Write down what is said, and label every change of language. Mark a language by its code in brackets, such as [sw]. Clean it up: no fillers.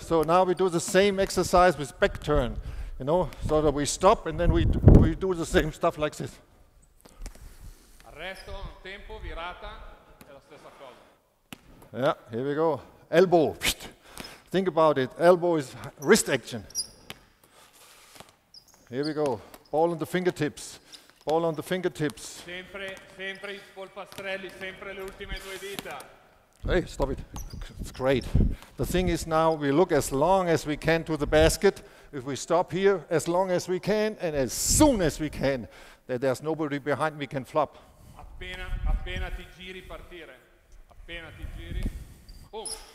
[en] So now we do the same exercise with back turn. You know, so that we stop and then we do the same stuff like this. [it] Resto, un tempo, virata, è la stessa cosa. [en] Yeah, here we go. Elbow. Psht. Think about it. Elbow is wrist action. Here we go. Ball on the fingertips. Ball on the fingertips. [it] Sempre, sempre I polpastrelli, sempre le ultime due dita. [en] Hey, stop it. It's great. The thing is now we look as long as we can to the basket. If we stop here as long as we can and as soon as we can, that there's nobody behind me can flop. [it] Appena ti giri partire. Appena ti giri. Oh,